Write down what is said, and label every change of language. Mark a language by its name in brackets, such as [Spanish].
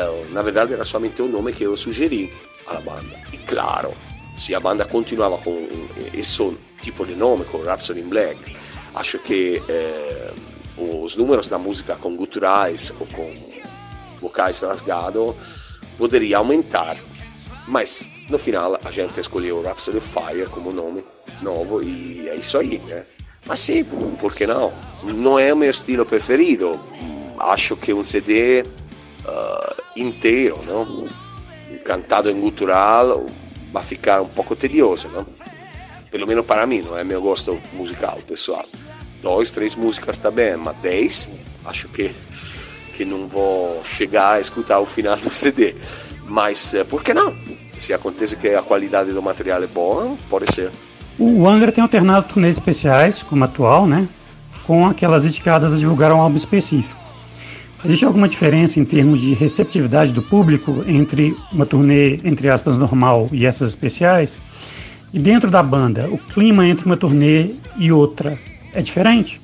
[Portuguese] Na verdade era somente o nome que eu sugeri [Italian] alla banda. [Portuguese] E claro, se a banda continuava com esse tipo de nome, com Rhapsody in Black, acho que os números da música com gutturais ou com vocais rasgados poderia aumentar. Mas no final a gente escolheu Rhapsody of Fire como nome novo e é isso aí, né? [Italian] Ma sì, perché no? Non è il mio stile preferito. Acho che un CD intero, no? Cantato in gutturale, va a ficare un poco tedioso, no? Per lo meno per me, non è il mio gusto musicale, pessoal. Due, tre musica sta bene, ma [Portuguese] dez, acho che non vou chegar a escutar o final do CD. [Italian] Ma perché no? Se acontece che a qualità do materiale è buona, può essere. [Portuguese] O Angra tem alternado turnês especiais, como a atual, né, com aquelas dedicadas a divulgar um álbum específico. Existe alguma diferença em termos de receptividade do público entre uma turnê, entre aspas, normal e essas especiais? E dentro da banda, o clima entre uma turnê e outra é diferente?